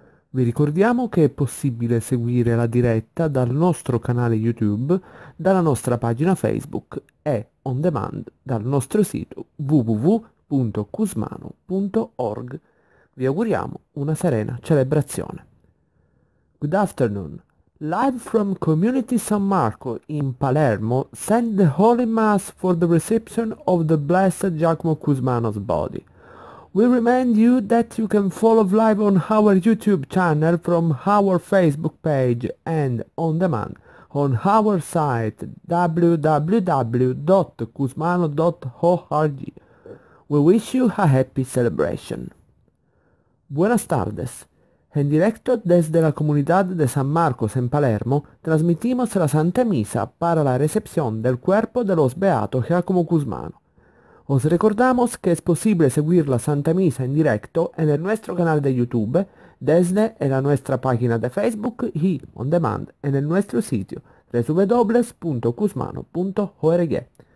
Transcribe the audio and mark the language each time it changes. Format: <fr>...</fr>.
<it>Vi ricordiamo che è possibile seguire la diretta dal nostro canale YouTube, dalla nostra pagina Facebook e, on demand, dal nostro sito www.cusmano.org. Vi auguriamo una serena celebrazione.</it> <en>Good afternoon. Live from Community San Marco in Palermo, send the Holy Mass for the reception of the Blessed Giacomo Cusmano's body. We remind you that you can follow live on our YouTube channel from our Facebook page and on demand on our site www.cusmano.org. We wish you a happy celebration.</en> <es>Buenas tardes. En directo desde la Comunidad de San Marcos en Palermo, transmitimos la Santa Misa para la recepción del cuerpo de los beatos Giacomo Cusmano. Os recordamos que es posible seguir la Santa Misa en directo en el nuestro canal de YouTube, desde en la nuestra página de Facebook y on demand en el nuestro sitio www.cusmano.org.</es>